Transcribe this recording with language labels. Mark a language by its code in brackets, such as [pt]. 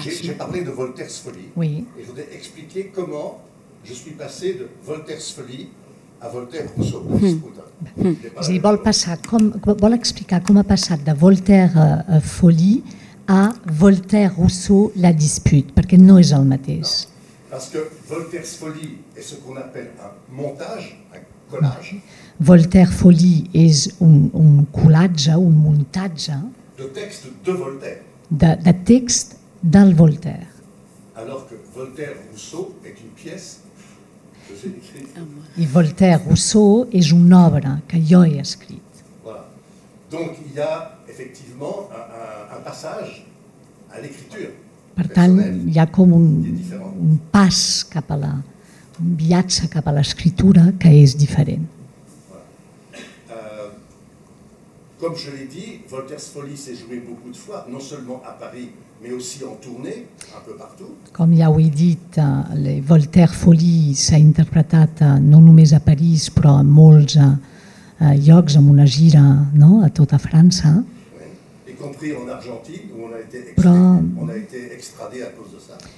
[fr] J'ai parlé de Voltaire's Folly. Oui. Et je voudrais expliquer comment je suis passé de Voltaire's Folly à Voltaire Rousseau. Mm. [ca] Si vol passar, com, vol explicar com ha passat de Voltaire Folly a Voltaire Rousseau la dispute, perquè no és el mateix. No. [fr] Parce que Voltaire's Folly est ce qu'on appelle un montage, un collage. [ca] Voltaire Folly és un collatge, un muntatge de text de Voltaire. De text del Voltaire. [fr] Alors que Voltaire Rousseau est une pièce. [ca] I Voltaire Rousseau és una obra que jo he escrit. [fr] Voilà. Donc il y a effectivement un passage à l'écriture. [ca] Per tant, hi ha com un pas cap a la, un viatge cap a l'escriptura que és diferent. [fr] Voilà. Comme je l'ai dit, Voltaire's Folly s'est joué beaucoup de fois, non seulement à Paris, mais aussi en tournée un peu partout. [ca] Com ja ho he dit, Voltaire Folly s'ha interpretat no només a París, però en molts llocs, amb una gira, no, a tota França. [fr] Oui. Y compris en Argentina, où on a été extradé, però, on a été extradé a cause de ça.